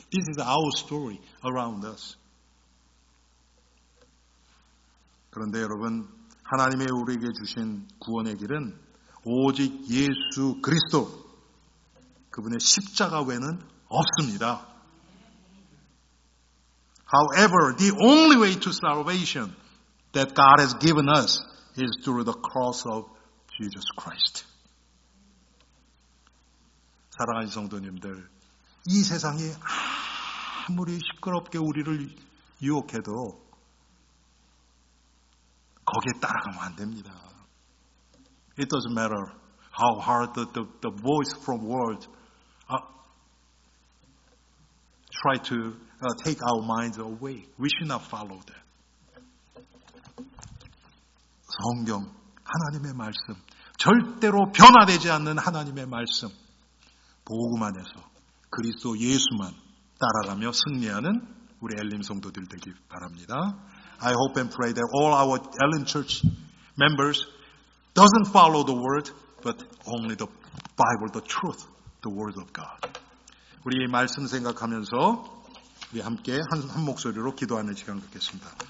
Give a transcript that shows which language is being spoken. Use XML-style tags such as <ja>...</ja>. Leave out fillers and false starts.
<en>This is our story around us.</en> <ko>그런데 여러분, 하나님의 우리에게 주신 구원의 길은 오직 예수 그리스도, 그분의 십자가 외에는 없습니다.</ko> <en>However, the only way to salvation that God has given us is through the cross of Jesus Christ.</en> <ko>사랑하는 성도님들, 이 세상이 아무리 시끄럽게 우리를 유혹해도 거기에 따라가면 안 됩니다.</ko> <en>It doesn't matter how hard the voice from world try to take our minds away. We should not follow that.</en> <ko>성경, 하나님의 말씀, 절대로 변화되지 않는 하나님의 말씀, 복음 안에서 그리스도 예수만 따라가며 승리하는 우리 엘림 성도들 되기 바랍니다.</ko> <en>I hope and pray that all our Ellen Church members doesn't follow the word, but only the Bible, the truth, the word of God.</en> <ko>우리 말씀 생각하면서 우리 함께 한 목소리로 기도하는 시간 갖겠습니다.</ko>